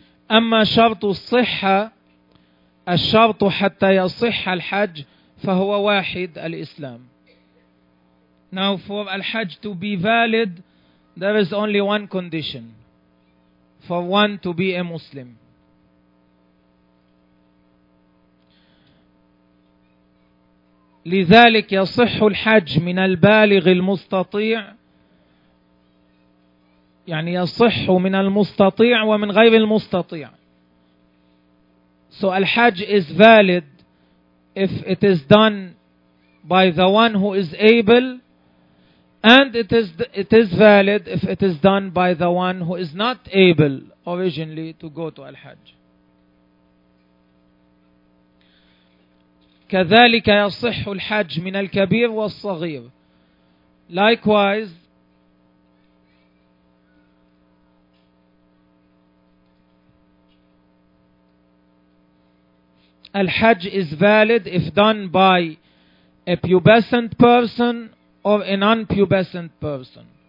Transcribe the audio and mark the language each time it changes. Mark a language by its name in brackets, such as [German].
[Arabic] أما شرط الصحة الشرط حتى يصح الحج فهو واحد الإسلام. [English] Now for al-hajj to be valid, there is only one condition for one to be a Muslim. [Arabic] لذلك يصح الحج من البالغ المستطيع, يعني يصح من المستطيع ومن غير المستطيع. [English] So al-hajj is valid if it is done by the one who is able, and it is valid if it is done by the one who is not able originally to go to al-hajj. [Arabic] كذلك يصح الحج من الكبير والصغير. [English] Likewise, الحج is valid if done by a pubescent person or a non-pubescent person.